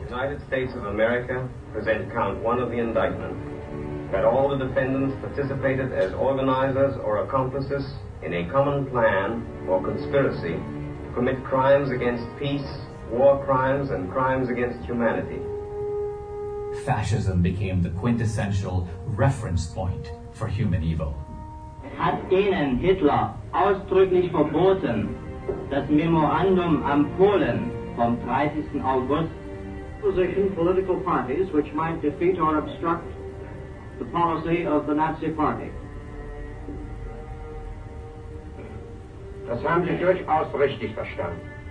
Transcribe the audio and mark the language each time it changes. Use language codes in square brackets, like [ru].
[en] United States of America present count one of the indictment that all the defendants participated as organizers or accomplices in a common plan or conspiracy to commit crimes against peace, war crimes, and crimes against humanity. Fascism became the quintessential reference point for human evil. [de] Hat Ihnen Hitler ausdrücklich verboten, das Memorandum am Polen vom 30. August? [en] Opposition political parties which might defeat or obstruct the policy of the Nazi Party. [de] Das haben Sie durchaus richtig verstanden.